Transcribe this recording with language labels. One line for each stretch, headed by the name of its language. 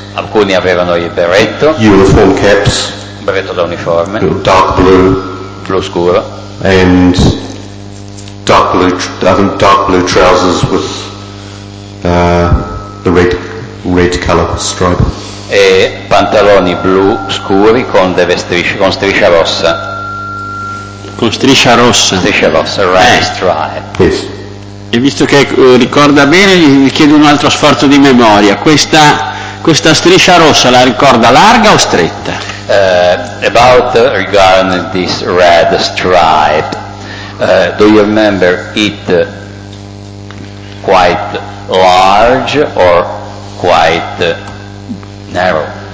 Italian: Alcuni avevano il berretto.
English: Uniform caps.
Italian: Berretto da uniforme.
English: Dark blue.
Italian: Blu scuro.
English: And dark blue, I think dark blue trousers with the red color stripe.
Italian: E pantaloni blu scuri con delle strisce, con striscia rossa. Con striscia rossa. Striscia rossa,
English: red stripe. Yes.
Italian: E visto che ricorda bene, gli chiedo un altro sforzo di memoria. Questa striscia rossa la ricorda larga o stretta?
English: Regarding this red stripe, do you remember it quite large or quite narrow?